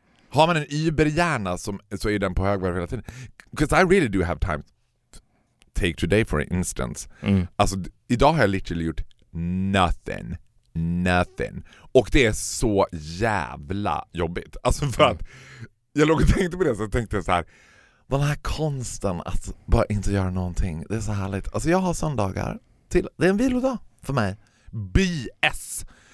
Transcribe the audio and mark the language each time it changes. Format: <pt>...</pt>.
<sv>Har man en yberhjärna så är den på högvarv hela tiden.</sv> <en>Because I really do have time. Take today for instance.</en> <sv>Mm. Alltså, idag har jag literally gjort</sv> <en>nothing. Nothing.</en> <sv>Och det är så jävla jobbigt. Alltså för att jag låg och tänkte på det, så jag tänkte så här, den här konsten att bara inte göra någonting, det är så härligt. Alltså jag har söndagar till, det är en vilodag för mig. BS.</sv>